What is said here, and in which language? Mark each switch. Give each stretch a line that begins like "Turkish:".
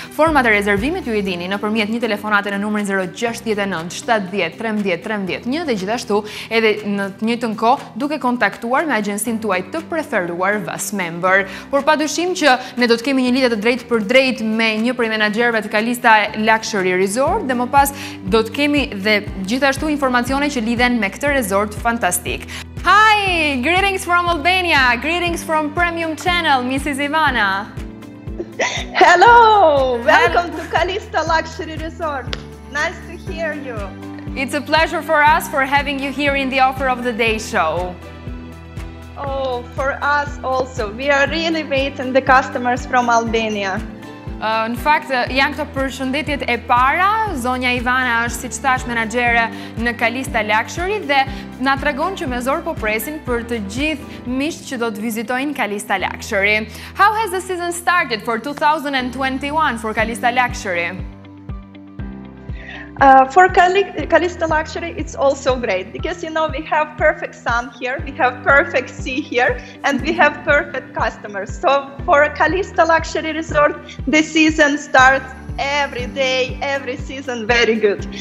Albanian: Format e rezervimit ju i dini në përmjet një telefonate në numërin 069-710-13-13-1 dhe gjithashtu edhe në të njëjtën kohë duke kontaktuar me agjensin tuaj të preferuar VAS Member. Por pa dyshim që ne do të kemi një lidhje të drejtë për drejtë me një prej menaxherëve të Calista Luxury Resort dhe më pas do të kemi dhe gjithashtu informacione që lidhen me këtë resort fantastik.
English: Hi, greetings from Albania. Greetings from Premium Channel, Mrs. Ivana. Hello, welcome to Calista Luxury Resort. Nice to hear you. It's a pleasure for us for having you here in the Offer of the Day show. Oh, for us also. We are really waiting the customers from Albania.
Albanian: Në fakt, janë këto përshëndetjet e para. Zonja Ivana është, siç thash, menaxhere në Calista Luxury dhe na tregon që me zor po presin për të gjithë miqtë që do të vizitojnë Calista Luxury.
English: How has the season started for 2021 for Calista Luxury? For Calista Luxury, it's also great because, you know, we have perfect sun here, we have perfect sea here, and we have perfect customers. So for a Calista Luxury Resort, the season starts every day, every season, very good.